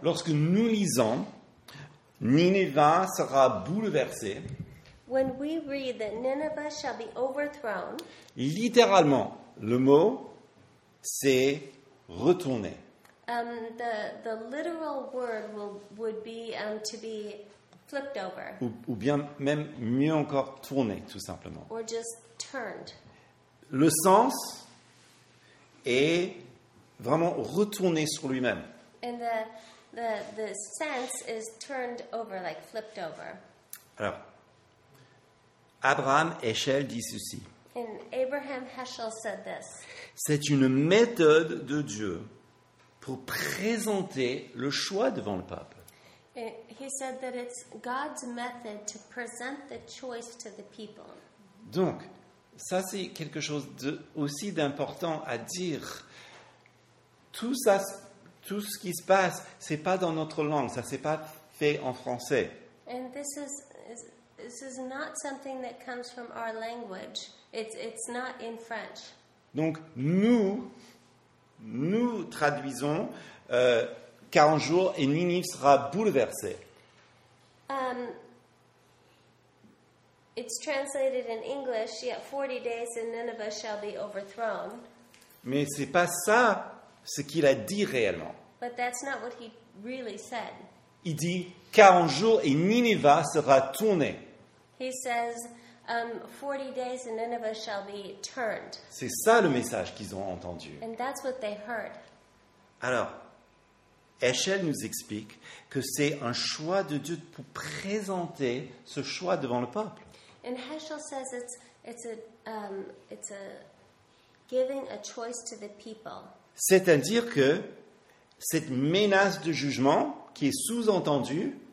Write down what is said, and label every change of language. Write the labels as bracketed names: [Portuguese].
[French] Lorsque nous lisons, Ninive sera bouleversée. [English] When we read that Nineveh shall be overthrown. [French] Littéralement, le mot, c'est retourner. [English] The literal word would be to be flipped over. [French] Ou bien même mieux encore tourner tout simplement. [English] Or just turned. [French] Le sens est vraiment retourner sur lui-même. [English] And the sense is turned over, like flipped over. [French] Alors, Abraham Heschel dit ceci. [English] And Abraham Heschel said this. [French] C'est une méthode de Dieu pour présenter le choix devant le peuple. [English] He said that it's God's method to present the choice to the people. [French] Donc, ça c'est quelque chose de, aussi d'important à dire. Tout ça, tout ce qui se passe, c'est pas dans notre langue, ça c'est pas fait en français. [English] And this is not something that comes from our language. It's not in French. [French] Donc nous traduisons 40 jours et Ninive sera bouleversée. [English] It's translated in English, yet 40 days and Nineveh shall be overthrown. [French] Mais c'est pas ça ce qu'il a dit réellement. [English] But that's not what he really said. [French] Il dit 40 jours et Ninive sera tournée. [English] He says 40 days and Nineveh shall be turned. [French] C'est ça le message qu'ils ont entendu. [English] And that's what they heard. [French] Alors, Eshel nous explique que c'est un choix de Dieu pour présenter ce choix devant le peuple. [English] And Heschel says it's a giving a choice to the people. [French] C'est-à-dire que cette menace de jugement qui est sous-entendue.